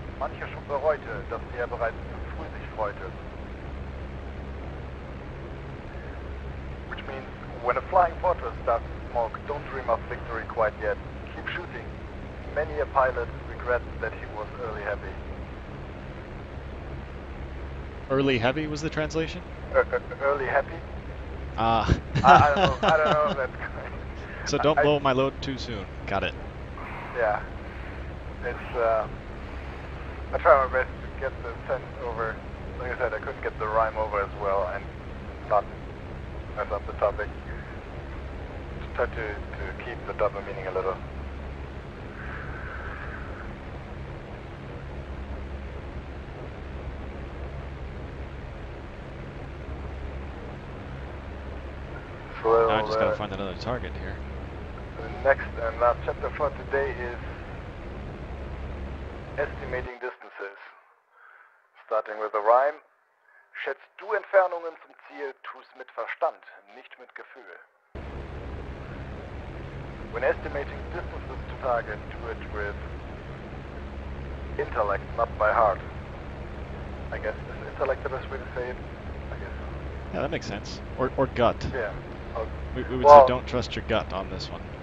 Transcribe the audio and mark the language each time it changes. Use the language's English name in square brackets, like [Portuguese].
[German] Manche schon bereute, dass sie ja bereits zu früh sich freute. [English] Which means, when a flying fortress starts to smoke, don't dream of victory quite yet. Keep shooting. Many a pilot regrets that he was early heavy. Early heavy was the translation? Early happy? Ah. I don't know. So don't blow my load too soon. Got it. Yeah. It's, I try my best to get the sense over. Like I said, I couldn't get the rhyme over as well and not mess up the topic. Just try to keep the double meaning a little. Now I just gotta find another target here. The next and last chapter for today is estimating distances. Starting with a rhyme. [German] Schätzt du Entfernungen zum Ziel, tu's mit Verstand, nicht mit Gefühl. [English] When estimating distances to target, do it with intellect, not by heart. I guess is intellect the best way to say it? I guess. Yeah, that makes sense. Or gut. Yeah. We would say don't trust your gut on this one.